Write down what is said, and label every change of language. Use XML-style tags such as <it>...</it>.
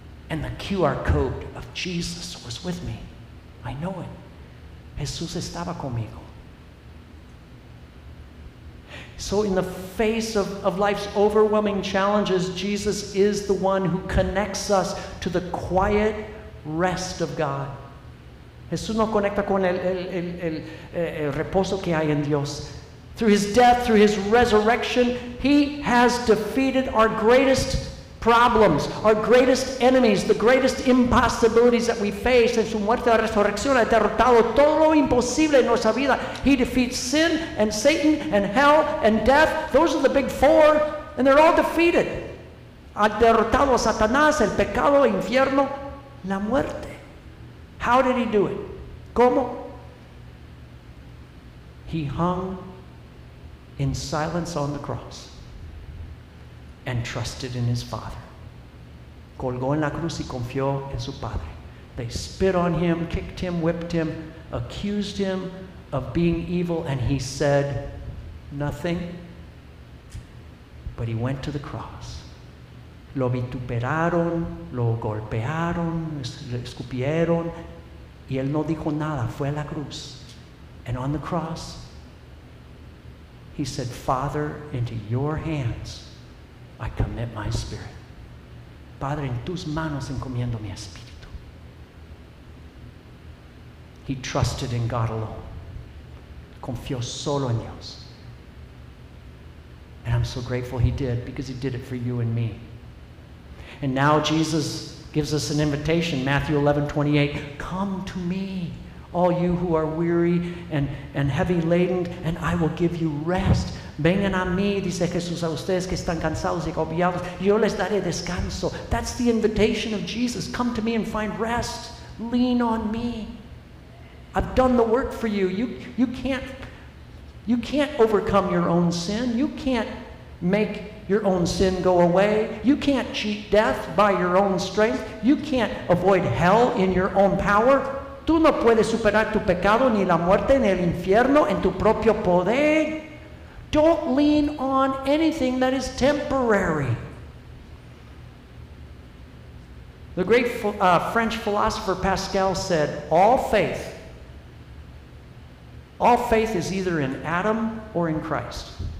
<en>And the QR code of Jesus was with me. I know it.</en> <es>Jesús estaba conmigo.</es> <en>So in the face of life's overwhelming challenges, Jesus is the one who connects us to the quiet rest of God.</en> <es>Jesús nos conecta con el reposo que hay en Dios.</es> <en>Through his death, through his resurrection, he has defeated our greatest problems, our greatest enemies, the greatest impossibilities that we face.</en> <es>En su muerte y resurrección ha derrotado todo lo imposible en nuestra vida.</es> <en>He defeats sin and Satan and hell and death. Those are the big four, and they're all defeated.</en> <es>Ha derrotado a Satanás, el pecado, el infierno, la muerte.</es> <en>How did he do it?</en> <es>¿Cómo?</es> <en>He hung in silence on the cross and trusted in his Father.</en> <es>Colgó en la cruz y confió en su Padre.</es> <en>They spit on him, kicked him, whipped him, accused him of being evil, and he said nothing. But he went to the cross.</en> <es>Lo vituperaron, lo golpearon, lo escupieron, y él no dijo nada, fue a la cruz.</es> <en>And on the cross, he said, Father, into your hands I commit my spirit.</en> <es>Padre, en tus manos encomiendo mi espíritu.</es> <en>He trusted in God alone.</en> <es>Confió solo en Dios.</es> <en>And I'm so grateful he did, because he did it for you and me. And now Jesus gives us an invitation, Matthew 11:28. Come to me, all you who are weary and heavy laden, and I will give you rest.</en> <es>Vengan a mí, dice Jesús, a ustedes que están cansados y agobiados. Yo les daré descanso.</es> <en>That's the invitation of Jesus. Come to me and find rest. Lean on me. I've done the work for you. You can't overcome your own sin. You can't make your own sin go away. You can't cheat death by your own strength. You can't avoid hell in your own power.</en> <es>Tú no puedes superar tu pecado ni la muerte ni el infierno en tu propio poder.</es> <en>Don't lean on anything that is temporary. The great French philosopher Pascal said, all faith is either in Adam or in Christ.</en>